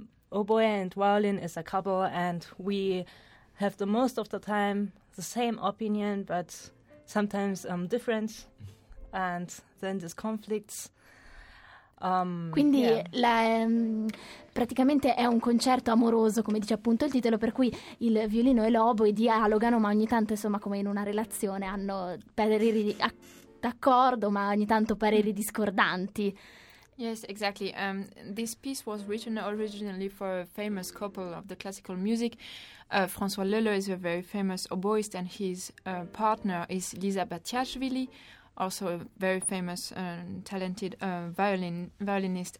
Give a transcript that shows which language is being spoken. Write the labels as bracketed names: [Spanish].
[English] Oboe and violin is a couple, and we have the most of the time the same opinion, but sometimes different, and then there's conflicts. [Italian] Quindi yeah. Praticamente è un concerto amoroso, come dice appunto il titolo, per cui il violino e l'oboe dialogano, ma ogni tanto, insomma, come in una relazione, hanno pareri d'accordo, ma ogni tanto pareri discordanti. [English] Yes, exactly. This piece was written originally for a famous couple of the classical music. François Leleu is a very famous oboist, and his partner is Lisa Batiashvili, also a very famous talented violinist.